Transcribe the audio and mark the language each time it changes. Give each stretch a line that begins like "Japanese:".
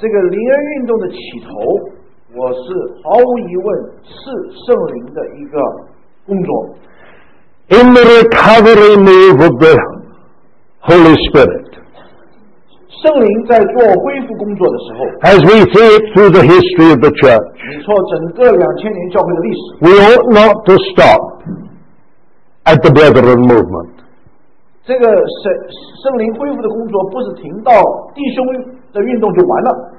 Chinese: 在这个灵恩运动的起头, 我是毫无疑问是圣灵的一个工作。
English: In the recovery move of the Holy Spirit,
Chinese: 圣灵在做恢复工作的时候,
English: as we see it through the history of the church,
Chinese: 没错,整个2000年教会的历史,
English: we ought not to stop at the brethren movement.
Chinese: 这个圣灵恢复的工作不是停到弟兄的运动就完了。